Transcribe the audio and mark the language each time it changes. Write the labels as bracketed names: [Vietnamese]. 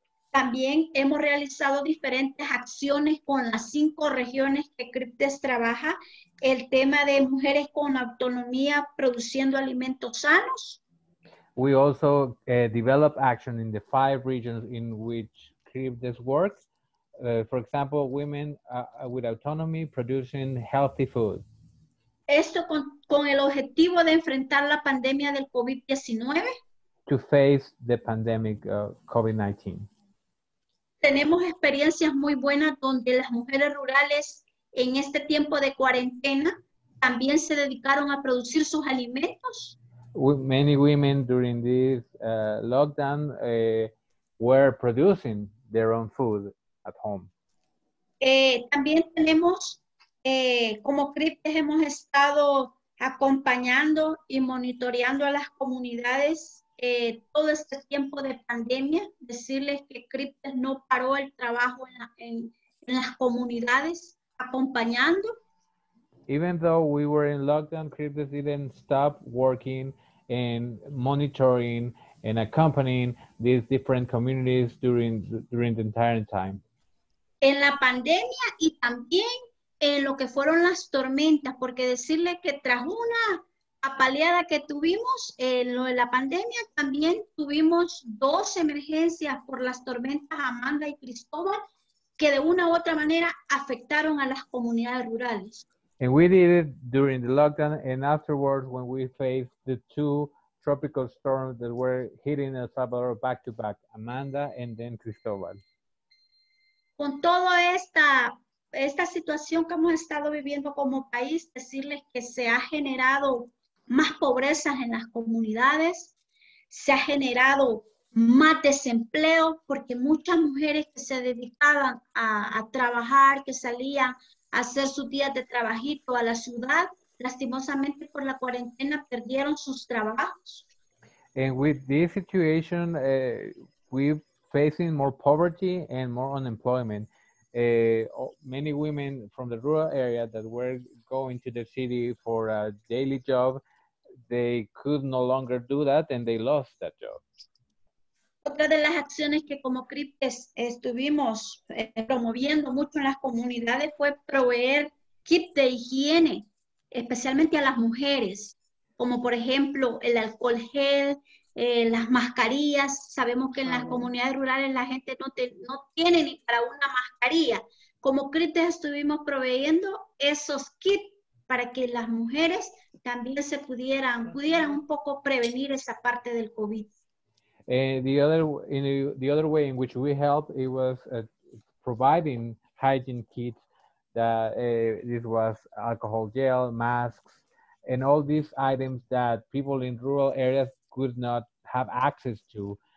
[Spanish] También hemos realizado diferentes acciones con las cinco regiones que CRIPTES trabaja. El tema de mujeres con autonomía produciendo alimentos sanos. [English] We also develop action in the five regions in which CRIPTES works. For example, women with autonomy producing healthy food. [Spanish] Esto con el objetivo de enfrentar la pandemia del COVID-19. [English] To face the pandemic of COVID-19. [Spanish] Tenemos experiencias muy buenas donde las mujeres rurales en este tiempo de cuarentena también se dedicaron a producir sus alimentos. [English] Many women during this lockdown were producing their own food at home. [Spanish] También tenemos, como CRIPTES hemos estado acompañando y monitoreando a las comunidades todo este tiempo de pandemia. Decirles que CRIPTES no paró el trabajo en las comunidades, acompañando. [English] Even though we were in lockdown, CRIPTES didn't stop working and monitoring and accompanying these different communities during the entire time. [Spanish] En la pandemia y también en lo que fueron las tormentas, porque decirles que tras una apaleada que tuvimos en lo de la pandemia, también tuvimos dos emergencias por las tormentas Amanda y Cristóbal que de una u otra manera afectaron a las comunidades rurales. [English] And we did it during the lockdown and afterwards when we faced the two tropical storms that were hitting El Salvador back to back, Amanda and then Cristóbal. [Spanish] Con toda esta situación que hemos estado viviendo como país, decirles que se ha generado más pobrezas en las comunidades, se ha generado más desempleo, porque muchas mujeres que se dedicaban a trabajar, que salían a hacer sus días de trabajito a la ciudad, lastimosamente por la cuarentena perdieron sus trabajos. [English] And with this situation, we're facing more poverty and more unemployment. Many women from the rural area that were going to the city for a daily job, they could no longer do that and they lost that job. [Spanish] Otra de las acciones que como CRIPTES estuvimos promoviendo mucho en las comunidades fue proveer kits de higiene, especialmente a las mujeres, como por ejemplo el alcohol gel, las mascarillas. Sabemos que en las comunidades rurales la gente no tiene ni para una mascarilla. Como CRIPTES estuvimos proveyendo esos kits para que las mujeres también se pudieran un poco prevenir esa parte del COVID. [English] The other way in which we helped, it was providing hygiene kits, that it was alcohol gel, masks, and all these items that people in rural areas could not have access to.